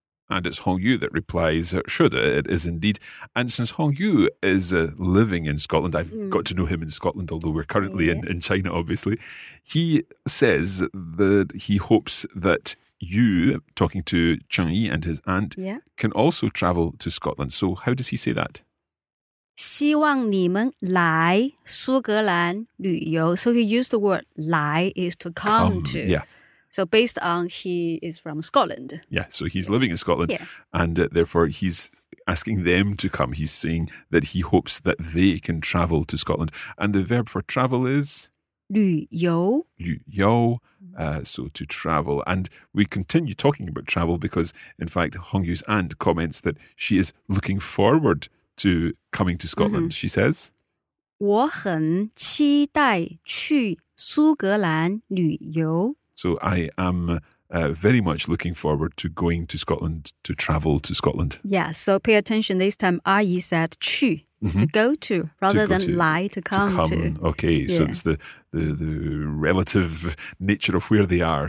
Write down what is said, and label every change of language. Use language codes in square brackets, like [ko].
[en] And it's Hong Yu that replies, sure, it is indeed. And since Hong Yu is living in Scotland, I've got to know him in Scotland, although we're currently in China, obviously. He says that he hopes that you, talking to Cheng Yi and his aunt, can also travel to Scotland. So how does he say that? [zh] 希望你们来苏格兰旅游。 [en] So he used the word [zh] 来 [en] is to come to. Yeah. So based on he is from Scotland. Yeah, so he's living in Scotland. Yeah. And therefore he's asking them to come. He's saying that he hopes that they can travel to Scotland. And the verb for travel is? [zh] 旅游。旅游。 [en] So to travel. And we continue talking about travel because, in fact, Hong Yu's aunt comments that she is looking forward to coming to Scotland, she says. [zh] 我很期待去苏格兰旅游。 [en] So I am very much looking forward to going to Scotland, to travel to Scotland. Yeah, so pay attention. This time, [zh] 阿姨 [en] said [zh] 去, [en] to go to, rather than lie, to come. Okay, yeah. So it's the relative nature of where they are.